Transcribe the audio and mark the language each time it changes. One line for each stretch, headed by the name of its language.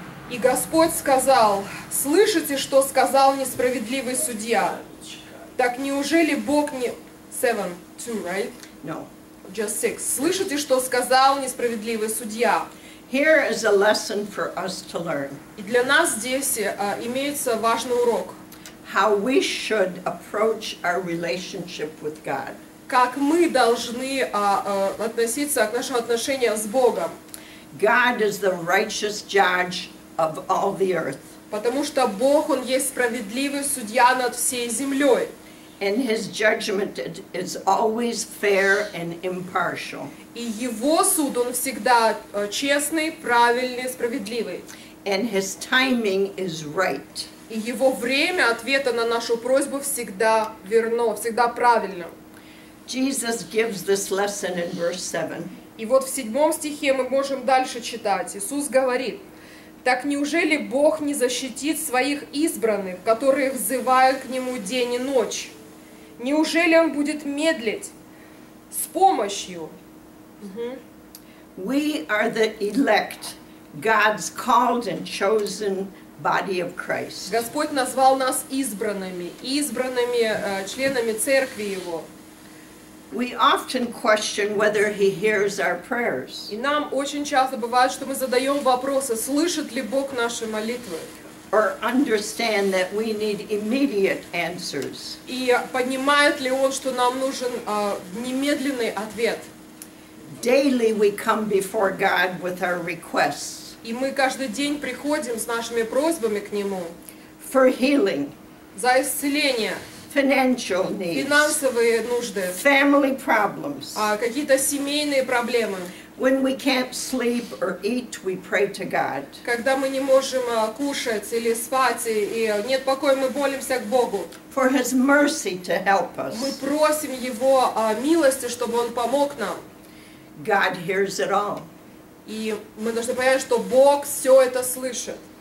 Russian: И Господь сказал: слышите, что сказал несправедливый судья? Так неужели Бог не... 7, 2,
English: right? No. Just six.
Russian: Слышите, что сказал несправедливый судья?
English: Here is a lesson for us to learn.
Russian: И для нас здесь имеется важный урок.
English: How we should approach our relationship with God.
Russian: Как мы должны относиться к нашему отношению с Богом?
English: God is the righteous judge of all the earth.
Russian: Потому что Бог, Он есть справедливый судья над всей землей.
English: And His judgment is always fair and impartial.
Russian: И Его суд, Он всегда честный, правильный, справедливый.
English: And His timing is right.
Russian: И Его время ответа на нашу просьбу всегда верно, всегда правильно.
English: Jesus gives this lesson in verse 7.
Russian: И вот в 7 стихе мы можем дальше читать. Иисус говорит: «Так неужели Бог не защитит Своих избранных, которые взывают к Нему день и ночь? Неужели Он будет медлить с помощью?»
English: We are the elect, God's called and chosen body of Christ.
Russian: Господь назвал нас избранными, избранными членами Церкви Его.
English: We often question whether He hears our prayers.
Russian: И нам очень часто бывает, что мы задаем вопросы, слышит ли Бог наши молитвы.
English: Or understand that we need immediate answers.
Russian: И понимает ли Он, что нам нужен немедленный ответ?
English: Daily we come before God with our requests.
Russian: И мы каждый день приходим с нашими просьбами к Нему.
English: For healing.
Russian: За исцеление.
English: Financial needs.
Russian: Финансовые нужды.
English: Family problems.
Russian: Какие-то семейные проблемы.
English: When we can't sleep or eat, we pray to God.
Russian: Когда мы не можем кушать или спать и нет покоя, мы молимся к Богу.
English: For His mercy to help us.
Russian: Мы просим Его милости, чтобы Он помог нам.
English: God hears it all.
Russian: И мы должны понять, что Бог все это слышит.